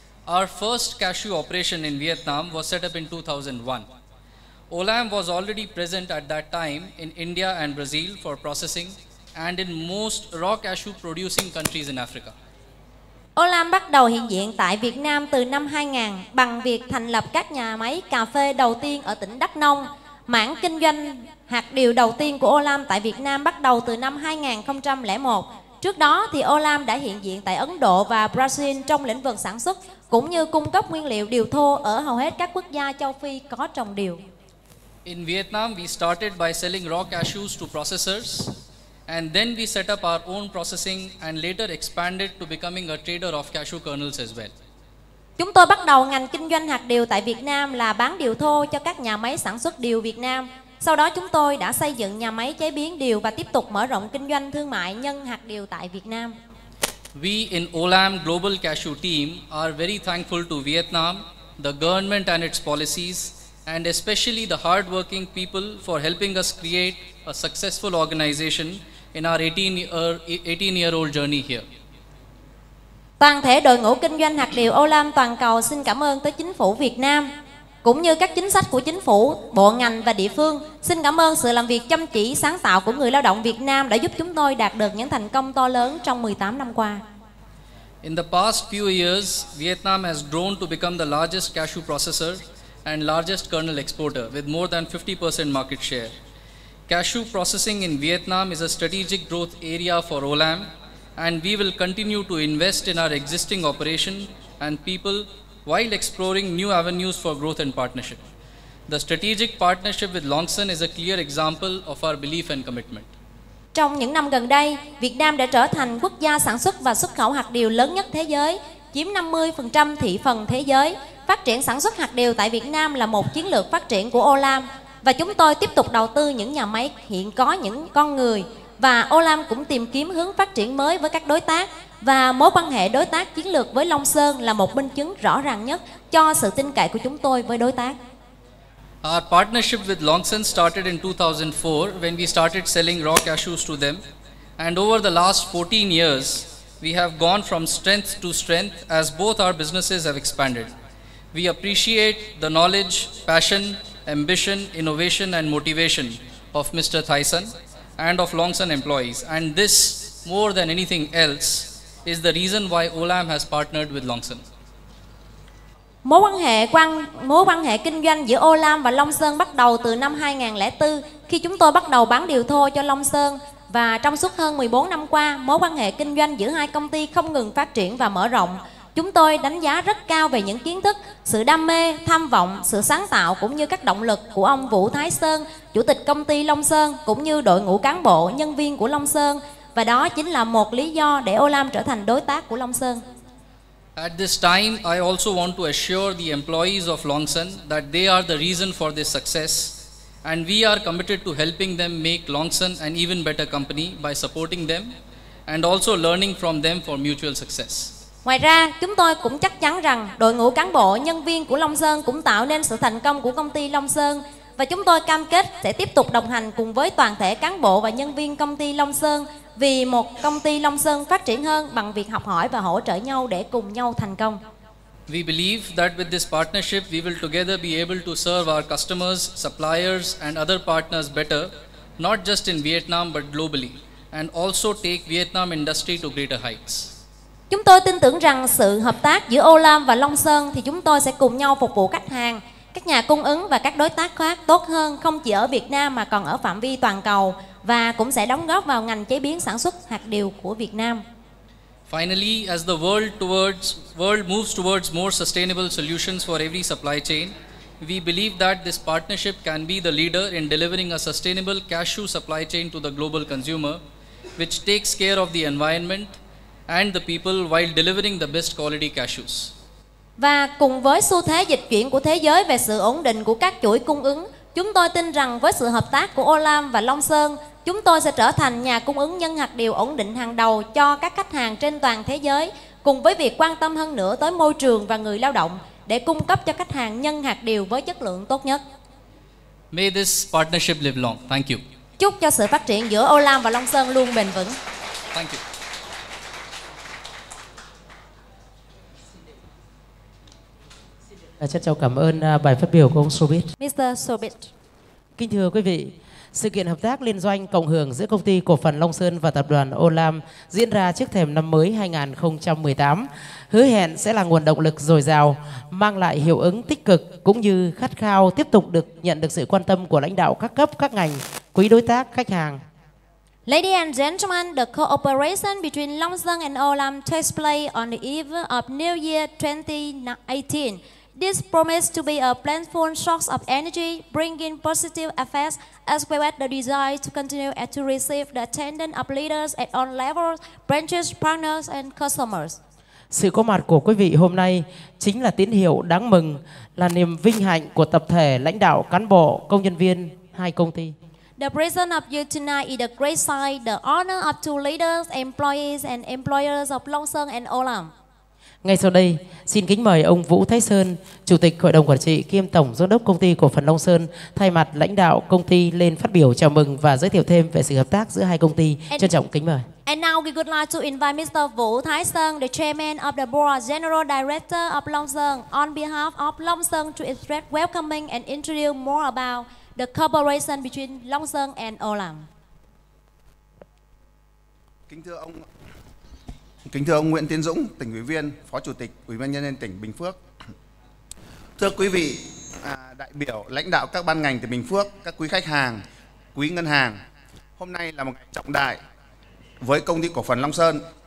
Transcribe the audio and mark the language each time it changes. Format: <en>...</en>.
<en>Our first cashew operation in Vietnam was set up in 2001. Olam was already present at that time in India and Brazil for processing and in most raw cashew producing countries in Africa.</en> <vi>Olam bắt đầu hiện diện tại Việt Nam từ năm 2000 bằng việc thành lập các nhà máy cà phê đầu tiên ở tỉnh Đắk Nông. Mảng kinh doanh hạt điều đầu tiên của Olam tại Việt Nam bắt đầu từ năm 2001. Trước đó thì Olam đã hiện diện tại Ấn Độ và Brazil trong lĩnh vực sản xuất cũng như cung cấp nguyên liệu điều thô ở hầu hết các quốc gia châu Phi có trồng điều.</vi> <en>In Vietnam, we started by selling raw cashews to processors and then we set up our own processing and later expanded to becoming a trader of cashew kernels as well.</en> <vi>Chúng tôi bắt đầu ngành kinh doanh hạt điều tại Việt Nam là bán điều thô cho các nhà máy sản xuất điều Việt Nam. Sau đó chúng tôi đã xây dựng nhà máy chế biến điều và tiếp tục mở rộng kinh doanh thương mại nhân hạt điều tại Việt Nam.</vi> <en>We in Olam Global Cashew Team are very thankful to Vietnam, the government and its policies, and especially the hard-working people for helping us create a successful organization in our 18-year-old journey here.</en> <vi>Toàn thể đội ngũ kinh doanh hạt điều Olam toàn cầu xin cảm ơn tới chính phủ Việt Nam, cũng như các chính sách của chính phủ, bộ ngành và địa phương. Xin cảm ơn sự làm việc chăm chỉ, sáng tạo của người lao động Việt Nam đã giúp chúng tôi đạt được những thành công to lớn trong 18 năm qua.</vi> <en>In the past few years, Vietnam has grown to become the largest cashew processor and largest kernel exporter with more than 50% market share. Cashew processing in Vietnam is a strategic growth area for Olam, and we will continue to invest in our existing operation and people while exploring new avenues for growth and partnership. The strategic partnership with Longsun is a clear example of our belief and commitment.</en> <vi>Trong những năm gần đây, Việt Nam đã trở thành quốc gia sản xuất và xuất khẩu hạt điều lớn nhất thế giới, chiếm 50% thị phần thế giới. Phát triển sản xuất hạt điều tại Việt Nam là một chiến lược phát triển của Olam, và chúng tôi tiếp tục đầu tư những nhà máy hiện có những con người, và Olam cũng tìm kiếm hướng phát triển mới với các đối tác. Và mối quan hệ đối tác chiến lược với Longsun là một minh chứng rõ ràng nhất cho sự tin cậy của chúng tôi với đối tác.</vi> <en>Our partnership with Longsun started in 2004 when we started selling raw cashews to them, and over the last 14 years we have gone from strength to strength as both our businesses have expanded. We appreciate the knowledge, passion, ambition, innovation and motivation of Mr. Thaisan and of Longsun employees, and this more than anything else is the reason why Olam has partnered with Longsun.</en> <vi>Mối quan hệ kinh doanh giữa Olam và Longsun bắt đầu từ năm 2004 khi chúng tôi bắt đầu bán điều thô cho Longsun, và trong suốt hơn 14 năm qua, mối quan hệ kinh doanh giữa hai công ty không ngừng phát triển và mở rộng. Chúng tôi đánh giá rất cao về những kiến thức, sự đam mê, tham vọng, sự sáng tạo cũng như các động lực của ông Vũ Thái Sơn, chủ tịch công ty Longsun, cũng như đội ngũ cán bộ, nhân viên của Longsun. Và đó chính là một lý do để Olam trở thành đối tác của Longsun.</vi> <en>At this time, I also want to assure the employees of Longsun that they are the reason for this success, and we are committed to helping them make Longsun an even better company by supporting them and also learning from them for mutual success.</en> <vi>Ngoài ra, chúng tôi cũng chắc chắn rằng đội ngũ cán bộ, nhân viên của Longsun cũng tạo nên sự thành công của công ty Longsun. Và chúng tôi cam kết sẽ tiếp tục đồng hành cùng với toàn thể cán bộ và nhân viên công ty Longsun vì một công ty Longsun phát triển hơn bằng việc học hỏi và hỗ trợ nhau để cùng nhau thành công.</vi> <en>We believe that with this partnership we will together be able to serve our customers, suppliers and other partners better, not just in Vietnam but globally, and also take Vietnam industry to greater heights.</en> <vi>Chúng tôi tin tưởng rằng sự hợp tác giữa Olam và Longsun thì chúng tôi sẽ cùng nhau phục vụ khách hàng, các nhà cung ứng và các đối tác khác tốt hơn, không chỉ ở Việt Nam mà còn ở phạm vi toàn cầu, và cũng sẽ đóng góp vào ngành chế biến sản xuất hạt điều của Việt Nam.</vi> <en>Finally, as the world moves towards more sustainable solutions for every supply chain, we believe that this partnership can be the leader in delivering a sustainable cashew supply chain to the global consumer, which takes care of the environment and the people while delivering the best quality cashews.</en> <vi>Và cùng với xu thế dịch chuyển của thế giới về sự ổn định của các chuỗi cung ứng, chúng tôi tin rằng với sự hợp tác của Olam và Longsun, chúng tôi sẽ trở thành nhà cung ứng nhân hạt điều ổn định hàng đầu cho các khách hàng trên toàn thế giới, cùng với việc quan tâm hơn nữa tới môi trường và người lao động để cung cấp cho khách hàng nhân hạt điều với chất lượng tốt nhất.</vi> <en>May this partnership live long. Thank you.</en> <vi>Chúc cho sự phát triển giữa Olam và Longsun luôn bền vững.</vi> <en>Thank you.</en> <vi>Chân trọng cảm ơn bài phát biểu của ông Sobit.</vi> <en>Mr. Sobit.</en> <vi>Kính thưa quý vị, sự kiện hợp tác liên doanh cộng hưởng giữa công ty cổ phần Longsun và tập đoàn Olam diễn ra trước thềm năm mới 2018 hứa hẹn sẽ là nguồn động lực dồi dào, mang lại hiệu ứng tích cực cũng như khát khao tiếp tục được nhận được sự quan tâm của lãnh đạo các cấp, các ngành, quý đối tác, khách hàng.</vi> <en>Ladies and gentlemen, the cooperation between Longsun and Olam takes place on the eve of New Year 2018. This promised to be a plentiful source of energy, bringing positive effects as well as the desire to continue and to receive the attendance of leaders at all levels, branches, partners, and customers.</en> <vi>Sự có mặt của quý vị hôm nay chính là tín hiệu đáng mừng, là niềm vinh hạnh của tập thể lãnh đạo, cán bộ, công nhân viên hai công ty.</vi> <en>The presence of you tonight is a great sign, the honor of two leaders, employees and employers of Long Sơn and Olam.</en> <vi>Ngay sau đây, xin kính mời ông Vũ Thái Sơn, Chủ tịch Hội đồng Quản trị kiêm Tổng Giám đốc Công ty Cổ phần Long Sơn, thay mặt lãnh đạo công ty lên phát biểu chào mừng và giới thiệu thêm về sự hợp tác giữa hai công ty. Trân trọng kính mời.</vi> <en>And now we would like to invite Mr. Vũ Thái Sơn, the Chairman of the Board, General Director of Long Sơn, on behalf of Long Sơn to express welcoming and introduce more about the cooperation between Long Sơn and Olam.</en> <vi>Kính thưa ông Nguyễn Tiến Dũng, tỉnh ủy viên, phó chủ tịch Ủy ban nhân dân tỉnh Bình Phước. Thưa quý vị đại biểu, lãnh đạo các ban ngành tỉnh Bình Phước, các quý khách hàng, quý ngân hàng. Hôm nay là một ngày trọng đại với công ty cổ phần Long Sơn.</vi>